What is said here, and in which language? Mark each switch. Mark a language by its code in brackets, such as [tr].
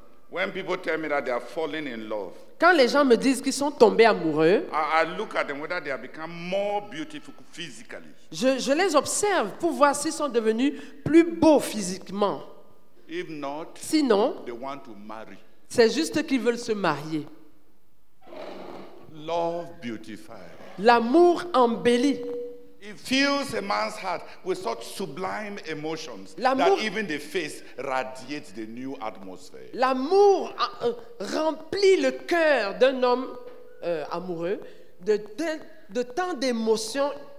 [en] When people tell me that they are falling in love. [fr] Quand les gens me disent qu'ils sont tombés amoureux. [en] I look at them whether they have become more beautiful physically. [fr] Je les observe pour voir s'ils sont devenus plus beaux physiquement. [en] If not. [fr] Sinon. [en] They want to marry. [fr] C'est juste qu'ils veulent se marier. [en] Love beautifies. [fr] L'amour embellit. [en] It fills a man's heart with such sublime emotions l'amour, that even the face radiates the new atmosphere. [fr] L'amour remplit le cœur d'un homme amoureux de tant d'émotions.